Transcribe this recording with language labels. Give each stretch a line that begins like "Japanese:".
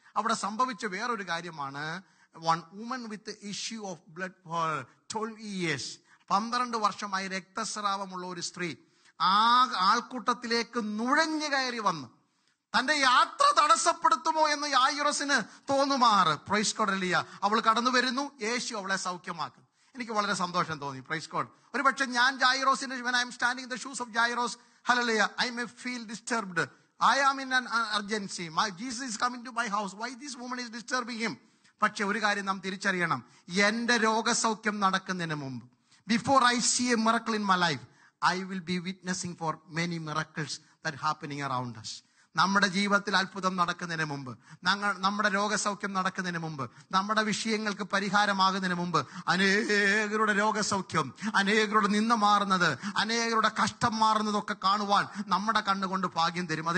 Malayalam: അവിടെ സംഭവിച്ച വേറൊരു കാര്യമാണ്,
English: one woman with issue of blood for 12 years,
Malayalam: 12 വർഷമായി രക്തസ്രാവമുള്ള ഒരു സ്ത്രീ ആ ആൾക്കൂട്ടത്തിലേക്ക് നുഴഞ്ഞു കയറി വന്നു. തന്റെ യാത്ര തടസ്സപ്പെടുത്തുമോ എന്ന് യായിറസിന് തോന്നുമാറ്,
English: praise God,
Malayalam: ഹല്ലേലൂയ, അവൾ കടന്നു വരുന്നു, യേശു അവളെ സൗഖ്യമാക്കുന്നു. എനിക്ക് വളരെ സന്തോഷം തോന്നി,
English: Praise God.
Malayalam: ഒരു പക്ഷെ ഞാൻ ജൈറോസിന്
English: when I am standing in the shoes of Jairus, hallelujah, I may feel disturbed. I am in an urgency. My Jesus is coming to my house. Why this woman is disturbing him?
Malayalam: പക്ഷേ ഒരു കാര്യം നാം തിരിച്ചറിയണം, എന്റെ രോഗസൗഖ്യം നടക്കുന്നതിന് മുമ്പ്,
English: Before I see a miracle in my life, I will be witnessing for many miracles that happening around us.
Malayalam: നമ്മുടെ ജീവിതത്തിൽ അത്ഭുതം നടക്കുന്നതിന് മുമ്പ്, നമ്മുടെ രോഗസൗഖ്യം നടക്കുന്നതിന് മുമ്പ്, നമ്മുടെ വിഷയങ്ങൾക്ക് പരിഹാരമാകുന്നതിന് മുമ്പ്, അനേകരുടെ രോഗസൗഖ്യം, അനേകരുടെ നിന്ന മാറുന്നത്, അനേകരുടെ കഷ്ടം മാറുന്നതൊക്കെ കാണുവാൻ നമ്മുടെ കണ്ണുകൊണ്ട് ഭാഗ്യം തരും.